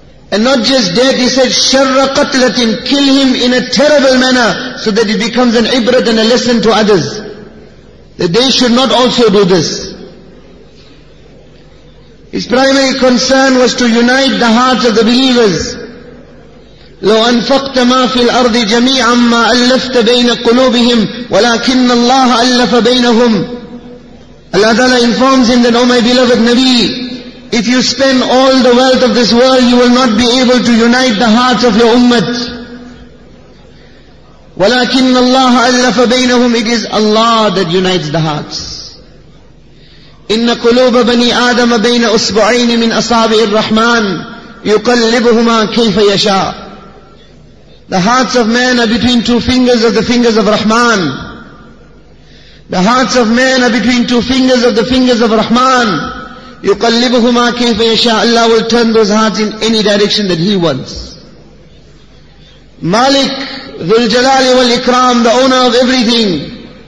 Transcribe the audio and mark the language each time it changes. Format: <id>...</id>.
<en>And not just death, he said,</en> <ar>sharra qatlatin,</ar> <en>kill him in a terrible manner, so that it becomes an ibrat and a lesson to others, that they should not also do this. His primary concern was to unite the hearts of the believers.</en> <ar>لو أنفقت ما في الأرض جميعا ما ألفت بين قلوبهم ولكن الله ألف بينهم.</ar> <en>Allah Ta'ala informs him that, O my beloved Nabi, if you spend all the wealth of this world, you will not be able to unite the hearts of your ummah.</en> <ar>ولكن الله ألف بينهم.</ar> <en>It is Allah that unites the hearts.</en> <ar>إن قلوب بني آدم بين أصبعين من أصابع الرحمن يقلبهما كيف يشاء.</ar> <en>The hearts of men are between two fingers of the fingers of Rahman. The hearts of men are between two fingers of the fingers of Rahman.</en> <ar>يُقَلِّبُهُمَا كَيْفَ يَشَاءُ.</ar> <en>Allah will turn those hearts in any direction that He wants. Malik,</en> <ar>ذُلْ جَلَالِ وَالْإِكْرَامِ,</ar> <en>the owner of everything.</en>